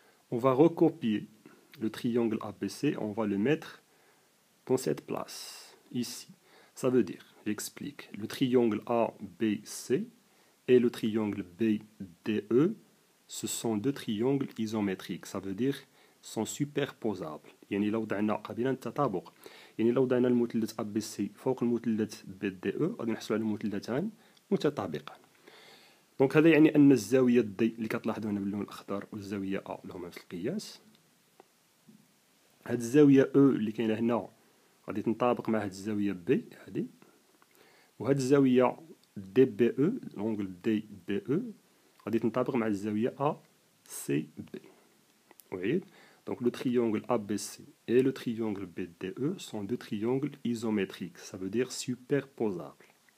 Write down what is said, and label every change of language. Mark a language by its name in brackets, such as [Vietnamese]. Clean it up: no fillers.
[French] On va recopier le triangle ABC, on va le mettre dans cette place. Ici, ça veut dire, j'explique, le triangle ABC et le triangle BDE, ce sont deux triangles isométriques, ça veut dire, sont superposables. [Arabic] يعني لو دعنا قابلا التطابق يعني لو دعنا المثلث ABC فوق المثلث BDE غادي نحصلوا على مثلثان متطابقان. دونك هذا يعني ان الزاويه D اللي كتلاحظوا هنا باللون الاخضر والزاويه A اللي هما في القياس, هذه الزاويه E اللي كاينه هنا غادي تنطابق مع هذه الزاويه B هذه, وهذه الزاويه DBE لونغل DBE غادي تنطابق مع الزاويه ACB. اعيد. [French] Donc le triangle ABC et le triangle BDE sont deux triangles isométriques, ça veut dire superposables.